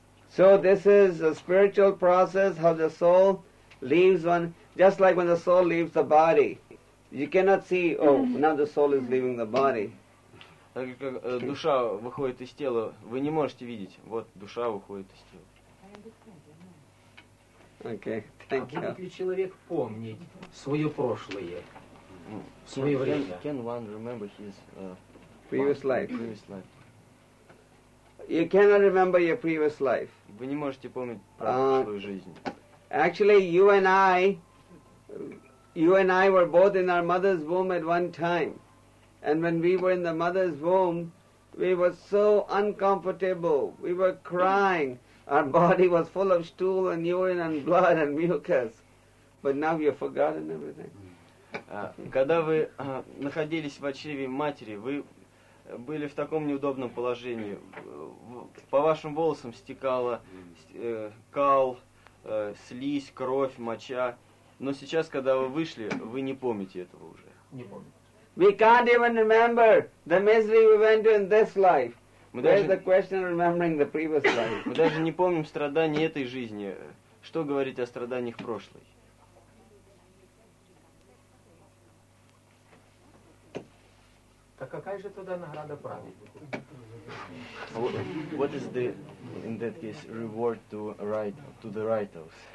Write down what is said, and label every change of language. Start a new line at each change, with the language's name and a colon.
English: So this is a spiritual process, how the soul leaves one. Just like when the soul leaves the body, you cannot see, oh, now the soul is leaving the body.
Russian: Так как душа выходит из тела, вы не можете видеть, вот душа выходит из тела.
English: Okay, thank you.
Russian: А будет ли человек помнить свое прошлое, свое время?
English: Can one remember his previous life? Previous life. You cannot remember your previous life.
Russian: Вы не можете помнить прошлую жизнь.
English: Actually, you and I were both in our mother's womb at one time, and when we were in the mother's womb, we were so uncomfortable, we were crying, our body was full of stool and urine and blood and mucus, but now you've forgotten everything.
Russian: Когда вы находились в чреве матери, вы были в таком неудобном положении. По вашим волосам стекала кал, слизь, кровь, моча. Но сейчас, когда вы вышли, вы не помните этого уже. Не помню.
English: We can't even remember the misery we went to in this life. Where's the question remembering the previous life?
Russian: Мы даже не помним страданий этой жизни. Что говорить о страданиях прошлой? Так какая же тогда награда праведников?
English: What is the, in that case, reward to right to the righteous?